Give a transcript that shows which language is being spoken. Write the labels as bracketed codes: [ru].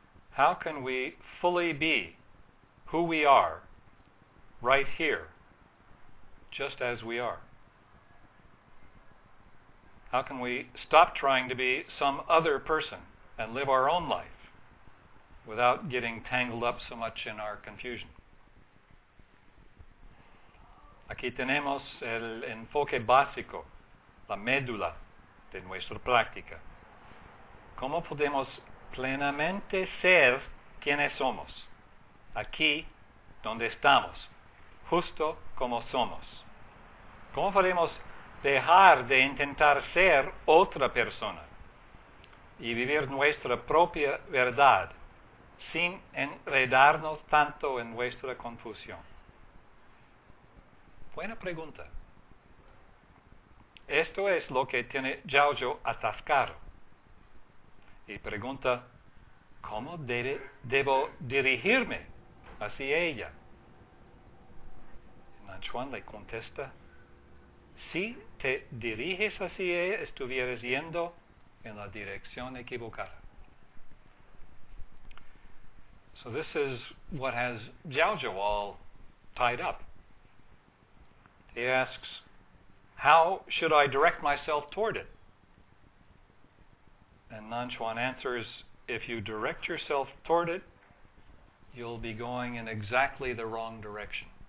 [en] How can we fully be who we are right here, just as we are? How can we stop trying to be some other person and live our own life without getting tangled up so much in our confusion? [es] Aquí tenemos el enfoque básico, la médula de nuestra práctica. ¿Cómo podemos plenamente ser quienes somos? Aquí, donde estamos, justo como somos. ¿Cómo podemos dejar de intentar ser otra persona y vivir nuestra propia verdad sin enredarnos tanto en nuestra confusión? Buena pregunta. Esto es lo que tiene Giorgio atascado. Y pregunta, ¿cómo debo dirigirme hacia ella? Nanchuan le contesta, si te diriges hacia ella, estuvieras yendo en la dirección equivocada. [en] So this is what has Giorgio all tied up. He asks, how should I direct myself toward it? And Nanchuan answers, if you direct yourself toward it, you'll be going in exactly the wrong direction.